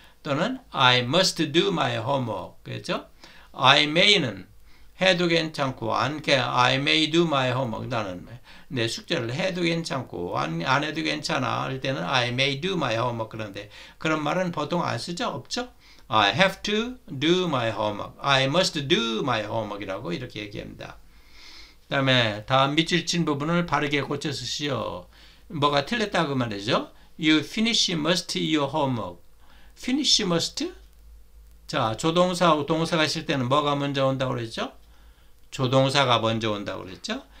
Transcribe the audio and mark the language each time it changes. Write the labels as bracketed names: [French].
[Korean] 또는 [English] I must do my homework. [Korean] 그랬죠? [English] I may는 [Korean] 해도 괜찮고 안 해, [English] I may do my homework. [Korean] 나는 내 숙제를 해도 괜찮고 안 해도 괜찮아. 할 때는 [English] I may do my homework. [Korean] 그런데 그런 말은 보통 안 쓰죠? 없죠? [English] I have to do my homework. I must do my homework이라고 [Korean] 이렇게 얘기합니다. 그다음에 다음 밑줄 친 부분을 바르게 고쳐 쓰시오. 뭐가 틀렸다고 말이죠? [English] You finish must your homework. Finish must? [Korean] 자, 조동사하고 동사가 있을 때는 뭐가 먼저 온다고 그랬죠? 조동사가 먼저 온다고 그랬죠?